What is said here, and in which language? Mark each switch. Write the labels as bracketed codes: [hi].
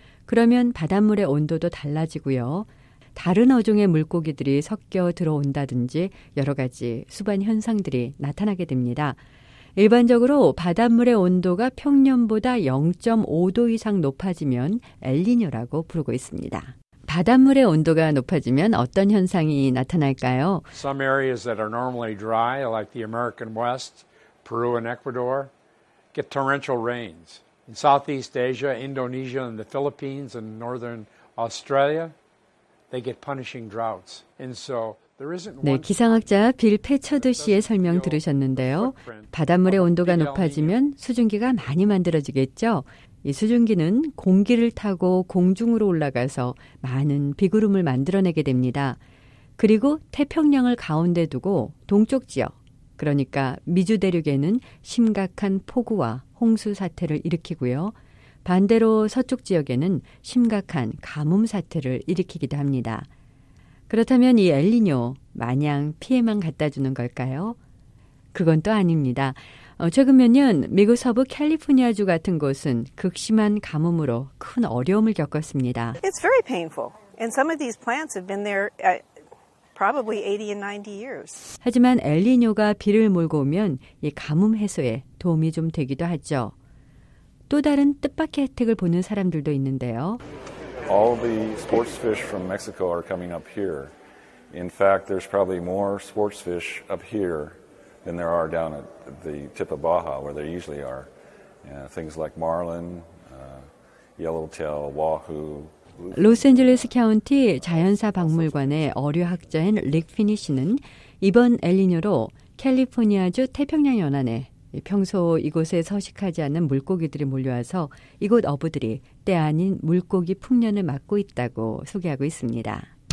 [ko] 그러면 바닷물의 온도도 달라지고요. 다른 어종의 물고기들이 섞여 들어온다든지 여러 가지 수반 현상들이 나타나게 됩니다. 일반적으로 바닷물의 온도가 평년보다 0.5도 이상 높아지면 엘니뇨라고 부르고 있습니다. 바닷물의 온도가 높아지면 어떤 현상이 나타날까요? [en] Some areas that are normally dry, like the American West, Peru and Ecuador, get torrential rains. In Southeast Asia, Indonesia and the Philippines and Northern Australia, they get punishing droughts. And so there isn't [ko] 네, 기상학자 빌 페처드 씨의 설명 들으셨는데요. 바닷물의 온도가 높아지면 수증기가 많이 만들어지겠죠. 이 수증기는 공기를 타고 공중으로 올라가서 많은 비구름을 만들어내게 됩니다. 그리고 태평양을 가운데 두고 동쪽 지역, 그러니까 미주 대륙에는 심각한 폭우와 홍수 사태를 일으키고요. 반대로 서쪽 지역에는 심각한 가뭄 사태를 일으키기도 합니다. 그렇다면 이 엘니뇨 마냥 피해만 갖다 주는 걸까요? 그건 또 아닙니다. 최근 몇 년 미국 서부 캘리포니아주 같은 곳은 극심한 가뭄으로 큰 어려움을 겪었습니다. [en] It's very painful. And some of these plants have been there probably 80 and 90 years. [ko] 하지만 엘니뇨가 비를 몰고 오면 이 가뭄 해소에 도움이 좀 되기도 하죠. 또 다른 뜻밖의 혜택을 보는 사람들도 있는데요. [en] All the sports fish from Mexico are coming up here. In fact, there's probably more sports fish up here than there are down at the tip of Baja, where there usually are. Things like marlin, yellowtail, wahoo. [ko] 로스앤젤레스 카운티 자연사 박물관의 어류학자인 릭 피니시는 이번 엘니뇨로 캘리포니아주 태평양 연안에 평소 이곳에 서식하지 않는 물고기들이 몰려와서 이곳 어부들이 때 아닌 물고기 풍년을 맞고 있다고 소개하고 있습니다.